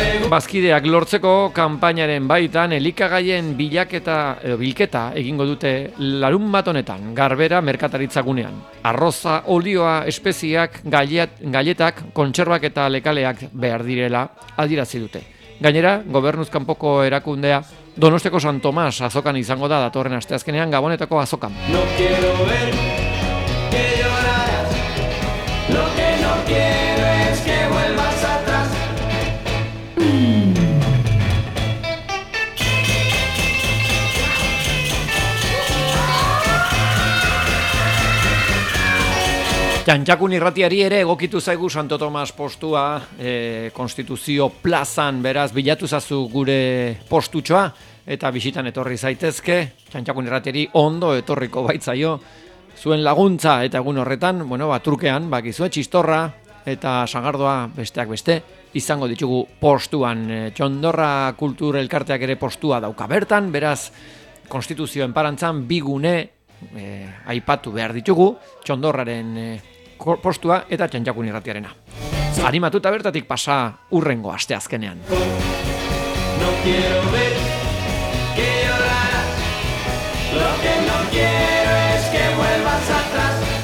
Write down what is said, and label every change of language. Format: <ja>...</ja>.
<eu>Bazkideak lortzeko kanpainaren baitan elikagaien bilaketa edo bilketa egingo dute larun bat honetan Garbera merkataritzagunean. Arroza, olioa, espeziak, galletak, kontserbak eta lekaleak behar direla adierazi dute. Gainera, gobernuzkanpoko erakundea Donostiako San Tomas azokan izango da datorren asteazkenean Gabonetako azokan.</eu> <es>No quiero ver que lloraras, lo que no quiero es que vuelvas atrás.</es> <eu>Txantxakun irratiari ere egokitu zaigu Santo Tomas postua, Konstituzio plazan, beraz, bilatu zazu gure postutxoa, eta bisitan etorri zaitezke, Txantxakun irratiari ondo etorriko baitzaio, zuen laguntza eta egun horretan, bueno, ba, trukean, bakizue, txistorra eta sagardoa besteak beste, izango ditugu postuan, Txondorra Kultur Elkarteak ere postua dauka bertan, beraz, Konstituzioen parantzan, bigune, aipatu behar ditugu, Txondorraren postua eta Txantxakun irratiarena. Animatuta bertatik pasa urrengo aste azkenean.</eu> <es>No quiero ver que lloraras, lo que no quiero es que vuelvas atrás.</es>